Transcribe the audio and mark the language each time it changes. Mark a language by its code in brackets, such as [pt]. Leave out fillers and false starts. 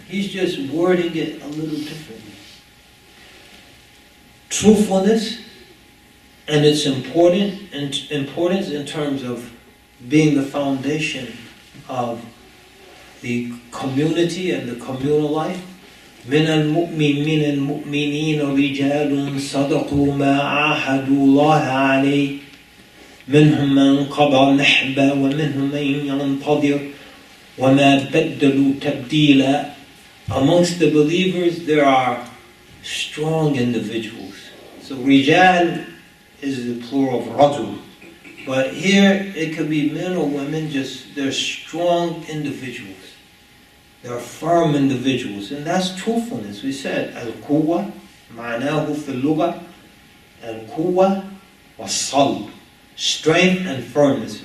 [en] He's just wording it a little differently. Truthfulness and its importance in terms of being the foundation of the community and the communal life. [ar] من المؤمنين رجال صدقوا ما عاهدوا الله عليه منهم من قضى نحبه ومنهم من ينتظر وما بدلوا تبديلا. [en] Amongst the believers, there are strong individuals. So رجال is the plural of رجل. But here it could be men or women, just they're strong individuals. They are firm individuals, and that's truthfulness. We said [ar] al-kuwa, ma'nahu fil lugha, al-kuwa wa salb, [en] strength and firmness.